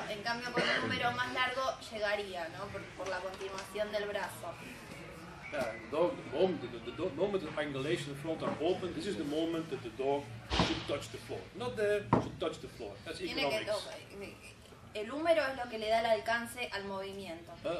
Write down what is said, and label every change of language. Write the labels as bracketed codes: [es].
[es] En cambio, con un número más largo, llegaría, ¿no? Por la continuación del brazo. [en] The moment the angulation front are open, this is the moment that the dog should touch the floor. Not there, should touch the floor. That's economics. [es] El húmero es lo que le da el alcance al movimiento.